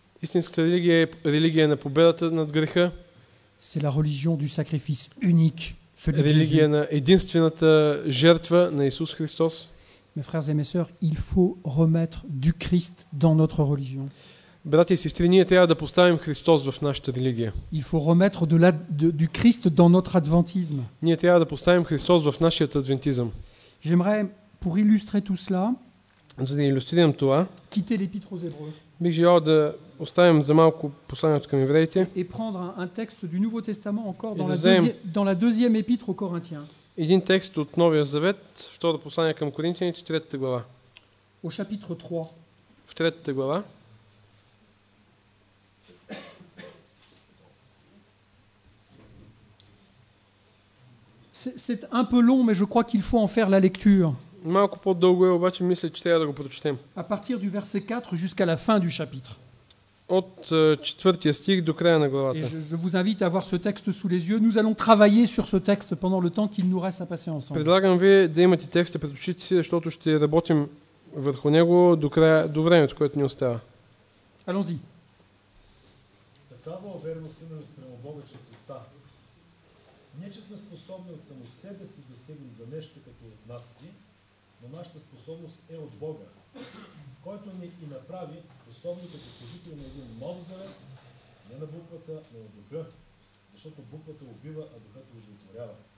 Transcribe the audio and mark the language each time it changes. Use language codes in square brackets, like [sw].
[bg] Истинската религия е религия на победата над греха. [fr] C'est la religion du sacrifice unique, celui de Jésus. [bg] Религия на единствената жертва на Исус Христос. [fr] Mes frères et mes sœurs, il faut remettre du Christ dans notre religion. [bg] Братя и сестри, ние трябва да поставим Христос в нашата религия. [fr] Il faut remettre de la du Christ dans notre adventisme. [bg] Ние трябва да поставим Христос в нашия адвентизъм. [fr] J'aimerais pour illustrer tout cela. [bg] За да илюстрирам това. [fr] Quitter l'épître aux Hébreux. [bg] Бих желал да оставим за малко посланието към евреите. [fr] Et prendre un texte du Nouveau Testament encore dans la deuxième épître aux Corinthiens. [bg] Един текст от Новия Завет, второто послание към Коринтияните, третата глава. [fr] Au chapitre 3. [bg] В третата глава. [fr] C'est un peu long, mais je crois qu'il faut en faire la lecture. [bg] Малко по-дълго е, обаче мисля, че трябва да го прочетем. [fr] À partir du verset 4 jusqu'à la fin du chapitre. [bg] От четвъртия стих до края на главата. [fr] Et je vous invite à voir ce texte sous les yeux. Nous allons travailler sur ce texte pendant le temps qu'il nous reste à passer ensemble. [bg] Предлагам ви да имате текста пред очите си, защото ще работим върху него до края, до времето, което ни остава. [fr] Allons-y. [bg] Такава уверено си имаме спрямо Бога, че сте ста. Не че сме способни от само себе си да седим за нещо като от нас си, но нашата способност е от Бога, който ни и направи способни като служители на един нов завет, не на буквата, но на духа, защото буквата убива, а духът оживотворява.